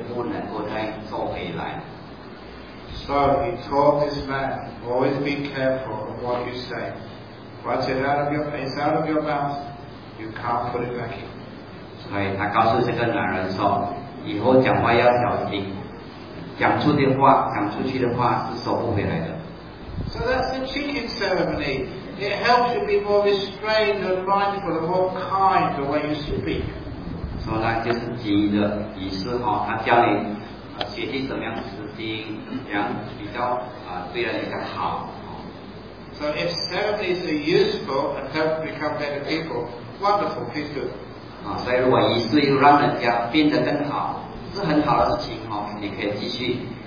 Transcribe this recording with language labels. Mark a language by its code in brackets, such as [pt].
[zh] 对，那个鸡的意思，他告诉你说，当你把不好的话说出去的时候，你就不能够再收回来。 [en] So he taught this man, always be careful of what you say. Once it's out of your mouth, you can't put it back in. [zh] 所以他告诉这个男人说，以后讲话要小心。讲出的话，讲出去的话是收不回来的。 [en] So that's the chicken ceremony. It helps you be more restrained and mindful and more kind the way you speak. So that [zh] 就是鸡的仪式哈，它教你学习怎么样吃鸡，怎样比较对人家好。 [en] So if ceremonies are useful and help become better people, wonderful, please do. [zh] 啊，所以如果仪式又让人家变得更好。是很好的事情哦，你可以继续。